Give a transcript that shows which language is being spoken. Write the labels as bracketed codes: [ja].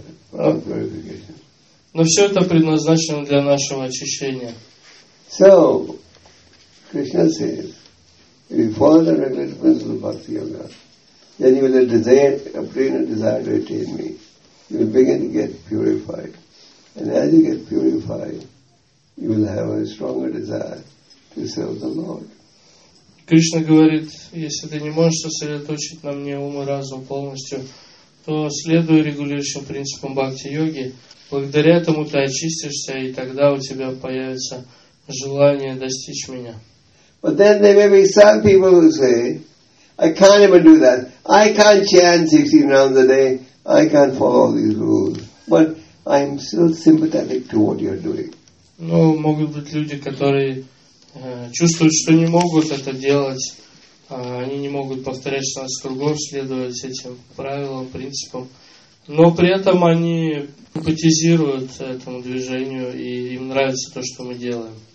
[ru] Но все это предназначено для нашего очищения. [en] So, Krishna says, if you follow the regulative principle of bhakti yoga, then you will obtain a desire to attain me. You will begin to get purified. And as you get purified, you will have a stronger desire to serve the Lord. [ru] Кришна говорит, если ты не можешь сосредоточить на мне ум и разум полностью, то следуй регулирующим принципам бхакти-йоги. Благодаря этому ты очистишься, и тогда у тебя появится желание достичь меня. [en] But then there may be some people who say, I can't even do that. I can't chant 16 rounds a day. I can't follow all these rules. But I'm still sympathetic to what you're doing. [ru] Ну, могут быть люди, которые чувствуют, что не могут это делать. Они не могут повторять 16 кругов, следовать этим правилам, принципам. Но при этом они симпатизируют этому движению, и им нравится то, что мы делаем.